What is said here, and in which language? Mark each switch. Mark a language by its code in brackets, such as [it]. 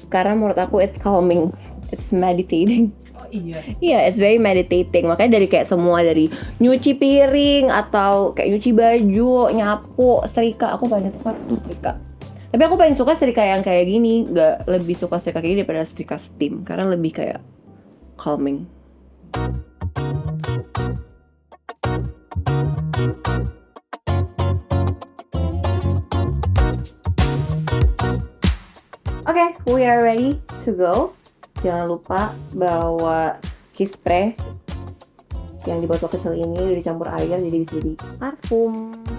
[id] Karena menurut aku [en] it's calming, it's meditating. [id] Oh iya? [en] Iya, yeah, it's very meditating. [id] Makanya dari kayak semua, dari nyuci piring atau kayak nyuci baju, nyapu, serika, aku banyak suka serika. Tapi aku paling suka serika yang kayak gini. Gak lebih suka serika kayak gini daripada serika steam, karena lebih kayak calming. [en] Oke, okay, we are ready to go. [id] Jangan lupa bawa key spray yang dibuat waktu kecil ini, udah dicampur air jadi bisa jadi parfum.